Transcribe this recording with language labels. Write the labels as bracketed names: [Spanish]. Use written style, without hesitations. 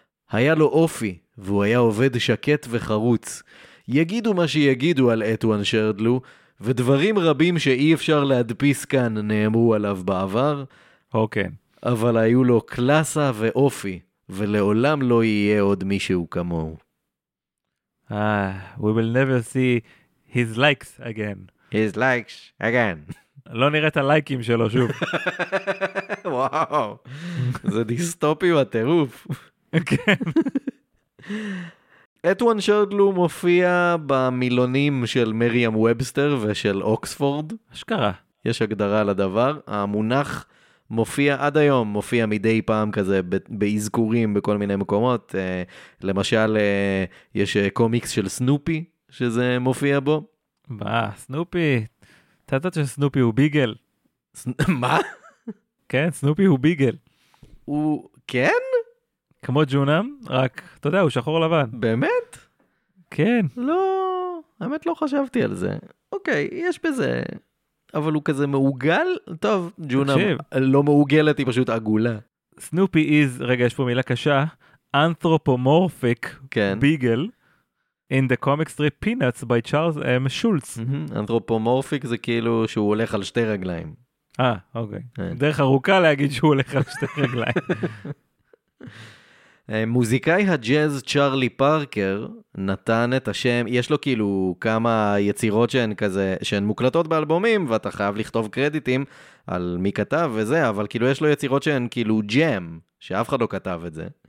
[Hebrew] היה לו אופי, והוא היה עובד שקט וחרוץ. יגידו מה שיגידו על אתואן שרדלו, ודברים רבים שאי אפשר להדפיס כאן נאמרו עליו בעבר. אוקיי. אבל היו לו קלאסה ואופי, ולעולם לא יהיה עוד מישהו כמוהו. [English] We will never see his likes again. His likes again. [Hebrew] לא נראה את הלייקים שלו שוב. וואו, זה דיסטופי בטירוף. כן. אתואן שרדלו מופיע במילונים של מריאם ובסטר ושל אוקספורד. אשכרה. יש הגדרה לדבר. המונח מופיע עד היום, מופיע מדי פעם כזה באזכורים בכל מיני מקומות. למשל, יש קומיקס של סנופי שזה מופיע בו. בא, סנופי. אתה יודעת שסנופי הוא ביגל. מה? כן, סנופי הוא ביגל. הוא, כן? כמו ג'ונם, רק, אתה יודע, הוא שחור לבן. באמת? כן. לא, האמת לא חשבתי על זה. אוקיי, יש בזה, אבל הוא כזה מעוגל? טוב, ג'ונם לא מעוגלת, היא פשוט עגולה. סנופי [English] is, [Hebrew] רגע, יש פה מילה קשה, anthropomorphic ביגל. [English] In the comic strip Peanuts by Charles M. Schulz. [Hebrew] אנתרופומורפיק זה כאילו שהוא הולך על שתי רגליים. אוקיי. דרך ארוכה להגיד שהוא הולך על שתי רגליים. מוזיקאי הג'אז צ'רלי פארקר נתן את השם, יש לו כאילו כמה יצירות שהן כזה, שהן מוקלטות באלבומים, ואתה חייב לכתוב קרדיטים על מי כתב וזה, אבל כאילו יש לו יצירות שהן כאילו ג'אם, שאף אחד לא כתב את זה.